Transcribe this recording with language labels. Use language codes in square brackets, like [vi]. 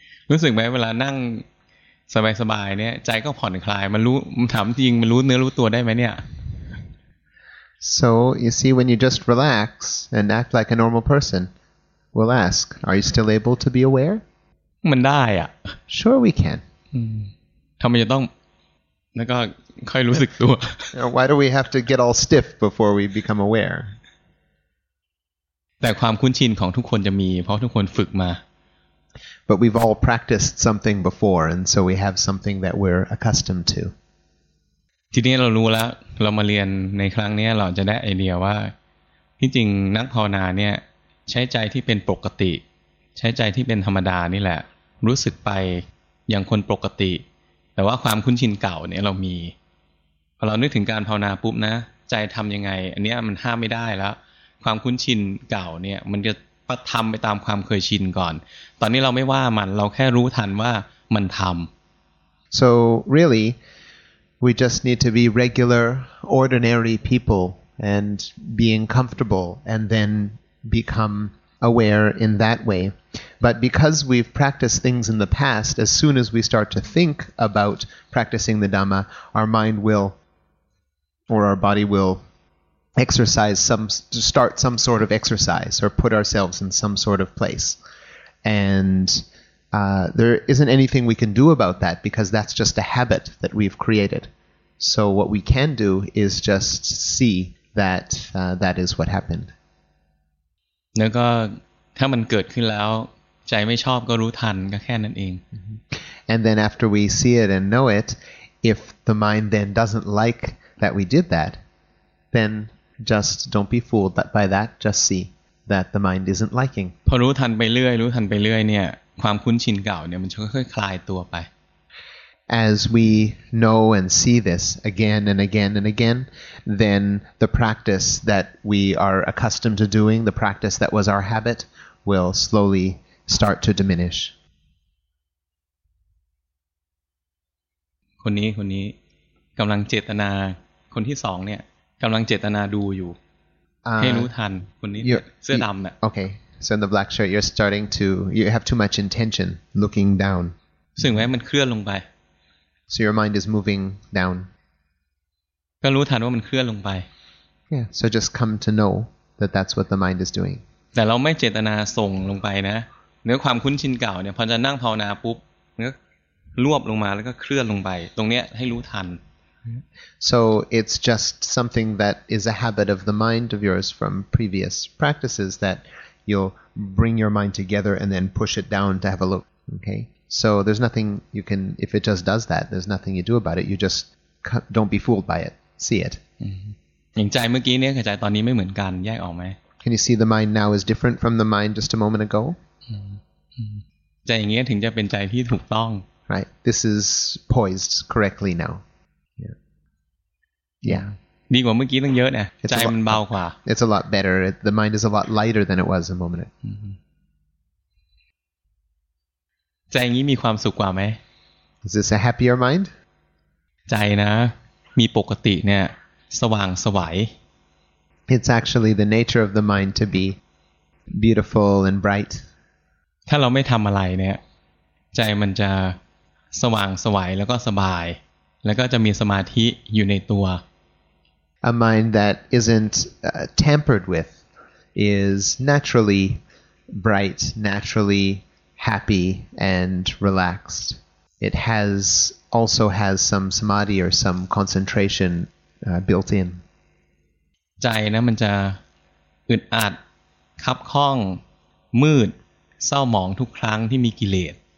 [th] รู้สึกไหมเวลานั่งสบายๆเนี่ยใจก็ผ่อนคลายมันรู้มันถามจริงมันรู้เนื้อรู้ตัวได้ไหมเนี่ย [en] So, you see, when you just relax and act like a normal person, we'll ask, are you still able to be aware? [th] มันได้อ่ะ [en] Sure, we can. [th] ทำไมจะต้องแล้วก็ค่อยรู้สึกตัว [en] Why do we have to get all stiff before we become aware? [th] แต่ความคุ้นชินของทุกคนจะมีเพราะทุกคนฝึกมา [en] But we've all practiced something before, and so we have something that we're accustomed to. [th] ทีนี้เรารู้แล้วเรามาเรียนในครั้งนี้เราจะได้ไอเดียว่าที่จริงนักภาวนาเนี่ยใช้ใจที่เป็นปกติใช้ใจที่เป็นธรรมดานี่แหละรู้สึกไปอย่างคนปกติแต่ว่าความคุ้นชินเก่าเนี่ยเรามีพอเรานึกถึงการภาวนาปุ๊บนะใจทำยังไงอันนี้มันห้ามไม่ได้แล้วความคุ้นชินเก่าเนี่ยมันจะทำไปตามความเคยชินก่อนตอนนี้เราไม่ว่ามันเราแค่รู้ทันว่ามันทำ [en] so reallyWe just need to be regular, ordinary people and being comfortable and then become aware in that way. But because we've practiced things in the past, as soon as we start to think about practicing the Dhamma, our mind will, or our body will exercise start some sort of exercise or put ourselves in some sort of place. And... there isn't anything we can do about that because that's just a habit that we've created. So what we can do is just see that that is what happened. [th] แล้วก็ถ้ามันเกิดขึ้นแล้วใจไม่ชอบก็รู้ทันก็แค่นั้นเอง [en] And then after we see it and know it, if the mind then doesn't like that we did that, then just don't be fooled by that. Just see that the mind isn't liking. [th] พอรู้ทันไปเรื่อยรู้ทันไปเรื่อยเนี่ยความคุ้นชินเก่าเนี่ยมันจะค่อยๆคลายตัวไป [en] As we know and see this again and again and again, then the practice that we are accustomed to doing, the practice that was our habit, will slowly start to diminish. [th] คนนี้คนนี้กำลังเจตนาคนที่สองเนี่ยกำลังเจตนาดูอยู่ให้รู้ทันคนนี้เสื้อดำเนี่ย [en] Okay, so in the black shirt, you're starting to you have too much intention looking down. [th] ซึ่งแม้มันเคลื่อนลงไป [en] So your mind is moving down. [th] ก็รู้ทันว่ามันเคลื่อนลงไป [en] Yeah. So just come to know that that's what the mind is doing. [th] แต่เราไม่เจตนาส่งลงไปนะเนื้อความคุ้นชินเก่าเนี่ยพอจะนั่งภาวนาปุ๊บเนื้อรวบลงมาแล้วก็เคลื่อนลงไปตรงเนี้ยให้รู้ทัน [en] So it's just something that is a habit of the mind of yours from previous practices that you'll bring your mind together and then push it down to have a look. Okay. So there's nothing you can, if it just does that, there's nothing you do about it. You just don't be fooled by it. See it. [th] อย่างใจเมื่อกี้เนี่ยกับใจตอนนี้ไม่เหมือนกันแยกออกไหม [en] Can you see the mind now is different from the mind just a moment ago? [th] ใจอย่างนี้ถึงจะเป็นใจที่ถูกต้อง [en] Right. This is poised correctly now. Yeah. [th] ดีกว่าเมื่อกี้ตั้งเยอะเนี่ยใจมันเบากว่า [en] It's a lot better. The mind is a lot lighter than it was a moment ago. [th] ใจอย่างนี้มีความสุขกว่าไหม [en] Is this a happier mind? [th] ใจนะมีปกติเนี่ยสว่างสวย [en] It's actually the nature of the mind to be beautiful and bright. [th] ถ้าเราไม่ทำอะไรเนี่ยใจมันจะสว่างสวยแล้วก็สบายแล้วก็จะมีสมาธิอยู่ในตัว [en] A mind that isn't tampered with is naturally bright, naturallyhappy and relaxed it has also has some samadhi or some concentration built in [th] ใจนะมันจะอึดอัดคับข้องมืดเศร้าหมองทุกครั้งที่มีกิเลส